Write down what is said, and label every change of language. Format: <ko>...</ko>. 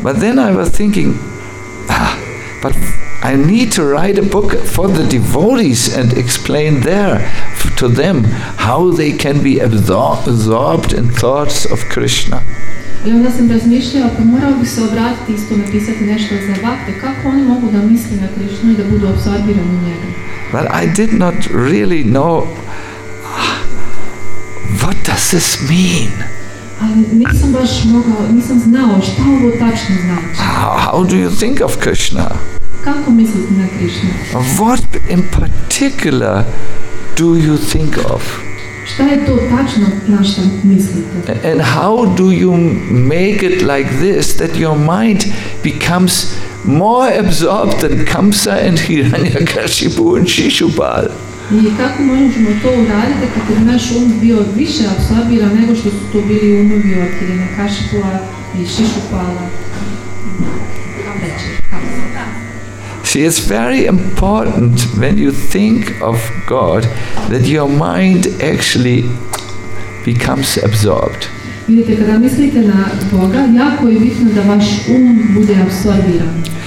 <en>But then I was thinking, but I need to write a book for the devotees and explain there to them how they can be absorbed in thoughts of Krishna.</en> <bs>I onda sam razmišljao, pa morao bi se obratiti isto napisati nešto za bhakte, kako oni mogu da misle na Krishnu i da budu apsorbirani u njega.</bs> <en>But I did not really know what does this mean?</en> <bs>Ali nisam baš mogao, nisam znao šta ovo tačno znači.</bs> <en>How do you think of Krishna?</en> <bs>Kako mislite na Krishna?</bs> <en>What in particular do you think of?</en> <bs>Šta je to tačno na šta mislite?</bs> <en>And how do you make it like this that your mind becomes more absorbed than Kamsa and Hiranyakashipu and Shishupal?</en> <bs>I kako možemo to uraditi kako bi naš um bio više apsorbiran nego što su to bili umovi od Hiranyakashipu i Shishupala?</bs> <en>See, it's very important when you think of God that your mind actually becomes absorbed.</en> <bs>Vidite, kada mislite na Boga, jako je bitno da vaš um bude apsorbiran.</bs>